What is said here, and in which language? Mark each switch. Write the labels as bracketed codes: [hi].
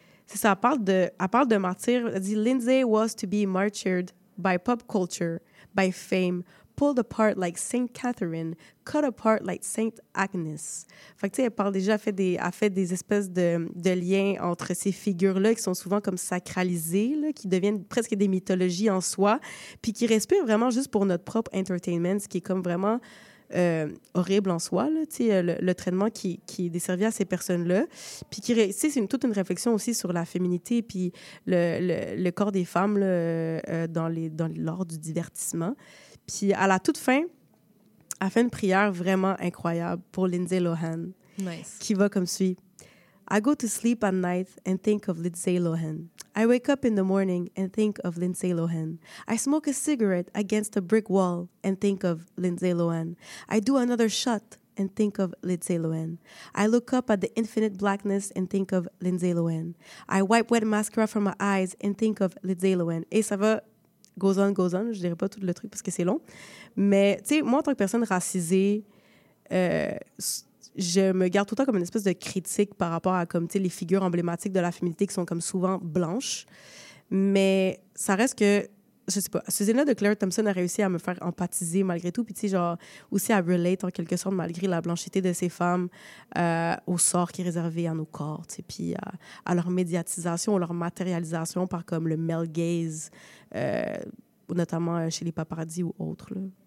[fr] C'est ça, elle parle de martyr. Elle dit « [en] Lindsay was to be martyred by pop culture, by fame, pulled apart like Saint Catherine, cut apart like Saint Agnes. [fr] » Fait que tu sais, elle parle déjà, elle fait des espèces de liens entre ces figures-là qui sont souvent comme sacralisées, là, qui deviennent presque des mythologies en soi, puis qui respirent vraiment juste pour notre propre entertainment, ce qui est comme vraiment horrible en soi, là, tu sais, le traitement qui est desservi à ces personnes-là. Puis qui, tu sais, c'est toute une réflexion aussi sur la féminité, puis le corps des femmes là, dans l'art du divertissement. Puis à la toute fin, elle fait une prière vraiment incroyable pour Lindsay Lohan. [en] Nice. [fr] Qui va comme suit. [en] I go to sleep at night and think of Lindsay Lohan. I wake up in the morning and think of Lindsay Lohan. I smoke a cigarette against a brick wall and think of Lindsay Lohan. I do another shot and think of Lindsay Lohan. I look up at the infinite blackness and think of Lindsay Lohan. I wipe wet mascara from my eyes and think of Lindsay Lohan. [fr] Et ça va, [en] goes on, [fr] je dirais pas tout le truc parce que c'est long. Mais, tu sais, moi, en tant que personne racisée, je me garde tout le temps comme une espèce de critique par rapport à, comme, tu sais, les figures emblématiques de la féminité qui sont comme souvent blanches. Mais ça reste que, je sais pas, Susanna de Claire Thompson a réussi à me faire empathiser malgré tout, puis tu sais, genre, aussi à relate en quelque sorte malgré la blanchité de ces femmes au sort qui est réservé à nos corps, tu sais, puis à leur médiatisation, leur matérialisation par comme le male gaze, notamment chez les paparazzi ou autres, là.